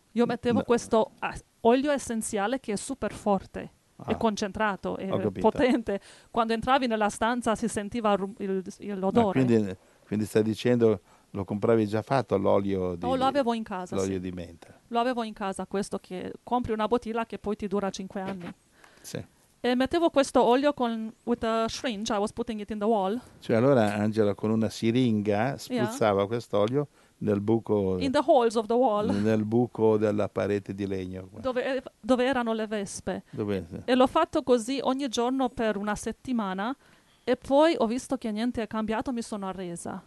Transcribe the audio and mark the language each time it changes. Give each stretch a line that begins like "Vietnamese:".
Italian: Io mettevo questo olio essenziale che è super forte, è concentrato, è potente. Quando entravi nella stanza si sentiva l'odore. Ma quindi stai dicendo... Lo compravi già fatto l'olio di menta? No, lo avevo in casa. L'olio Di menta. Lo avevo in casa, questo che compri una bottiglia che poi ti dura 5 anni. Sì. E mettevo questo olio
English: with a syringe, I was putting it in the wall.
Italian: Cioè allora Angela con una siringa spruzzava questo olio nel buco...
English: In the holes of the wall.
Italian: Nel buco della parete di legno. Dove erano le vespe. Dove? E l'ho fatto così ogni giorno per una settimana... E poi ho visto che niente è cambiato, mi sono arresa.